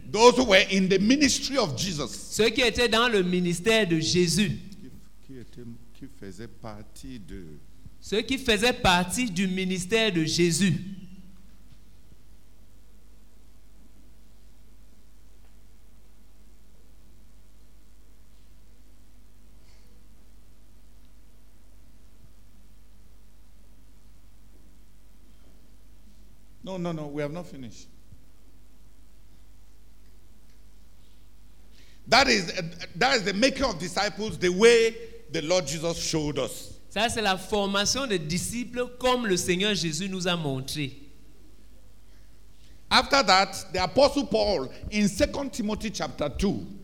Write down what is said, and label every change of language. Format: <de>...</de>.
<en>Those who were in the ministry of Jesus.</en> <fr>Ceux qui étaient dans le ministère de Jésus. Ceux qui faisaient partie du ministère de Jésus.</fr> <en>No, we have not finished. That is the making of disciples the way the Lord Jesus showed us.</en> <fr>Ça, c'est la formation des disciples comme le Seigneur Jésus nous a montré.</fr> <en>After that, the Apostle Paul in 2 Timothy chapter 2.</en>